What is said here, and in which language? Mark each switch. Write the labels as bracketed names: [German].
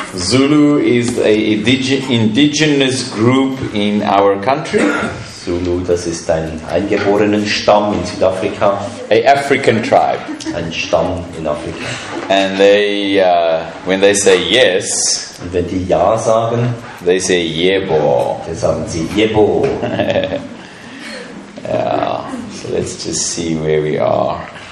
[English] Zulu is a indigenous group in our country. [German] Zulu, das ist ein eingeborenen Stamm in Südafrika. [English] A African tribe. [German] Ein Stamm in Afrika. [English] And they, when they say yes, [German] und wenn die ja sagen, [English] they say yebo. [German] Dann sagen sie yebo. Yeah. [English] So let's just see where we are.